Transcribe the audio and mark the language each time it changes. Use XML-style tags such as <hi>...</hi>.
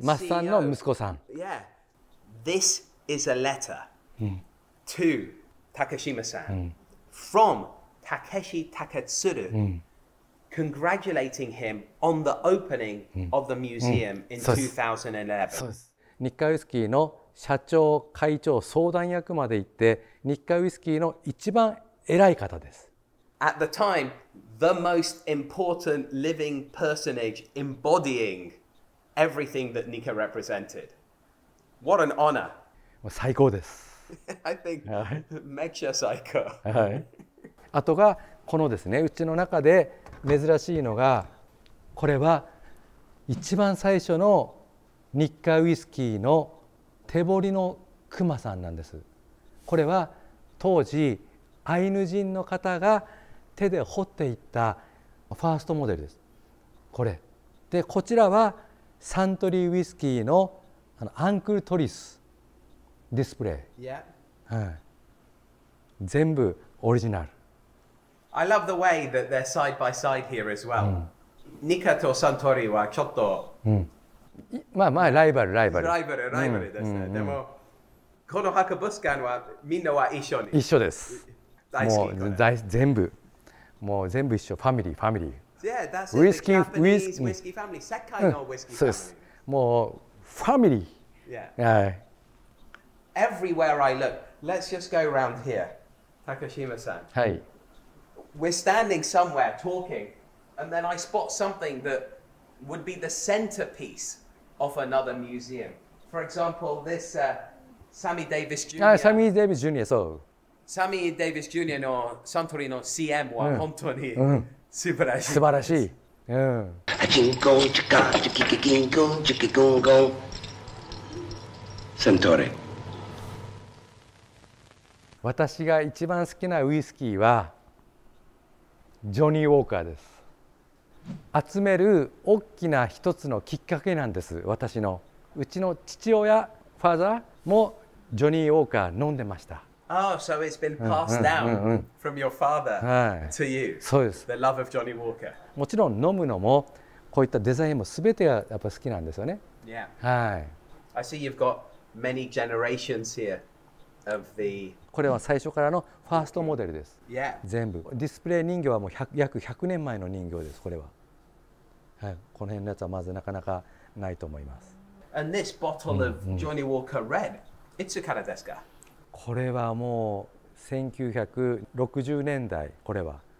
<ja>マッサンの息子さん、</ja> <en>yeah. This is a letter to Takeshima-san from Takeshi Taketsuru congratulating him on the opening of the museum in 2011.</en> <ja>日華ウイスキーの社長会長相談役まで行って日華ウイスキーの一番偉い方です。</ja> <en>At the time, the most important living personage embodying everything that Nika represented. What an honor.</en> <ja>最高です。</ja> <en>I think,</en> <ja>めっちゃ最高。あとが、このですね、うちの中で珍しいのが、これは一番最初の日華ウイスキーの手彫りの熊さんなんです。これは当時、アイヌ人の方が手で彫っていったファーストモデルです。これでこちらはサントリーウイスキーのアンクルトリスディスプレイ、</ja> <en>yeah.</en> <ja>はい、全部オリジナル。</ja> <en>I love the way that they're side by side here as well.</en> <ja>ニカとサントリーはちょっと、まあまあライバル、ライバルですね。でもこの博物館はみんなは一緒に一緒です。大好き。もう大全部もう全部一緒。ファミリー、ファミリー。</ja> <en>Yeah, that's it. The Japanese whiskey family.</en> <ja>Sekai no</ja> <en>whiskey family.</en> <ja>そうです。もうファミリー。</ja> <en>Yeah.</en> <ja>はい。</ja> <en>Everywhere I look, let's just go around here. Takashima-san.</en> <ja>はい。</ja> <en>We're standing somewhere talking, and then I spot something that would be the centerpiece of another museum. For example, this Sammy Davis Jr. Ah, Sammy Davis Jr. So.</en> <ja>サミー・デイビス・ジュニアのサントリーの CM は本当に素晴らしい、素晴らしい。チンコンチカチキキキンコンチキコンコンサントリー。私が一番好きなウイスキーはジョニー・ウォーカーです。集める大きな一つのきっかけなんです。私のうちの父親ファーザーもジョニー・ウォーカー飲んでました。</ja> <en>Oh, so it's been passed down from your father to you.</en> <ja>そうです。</ja> <en>The love of Johnny Walker.</en> <ja>もちろん飲むのもこういったデザインも全てがやっぱ好きなんですよね。</ja> <en>Yeah.</en> <ja>はい。</ja> <en>I see you've got many generations here of the...</en> <ja>これは最初からのファーストモデルです。</ja> <en>Yeah.</en> <ja>全部。ディスプレイ人形はもう約100年前の人形です、これは。はい。この辺のやつはまずなかなかないと思います。</ja> <en>And this bottle of Johnny Walker Red,</en> <ja>いつからですか？これはもう1960年代、これは。</ja>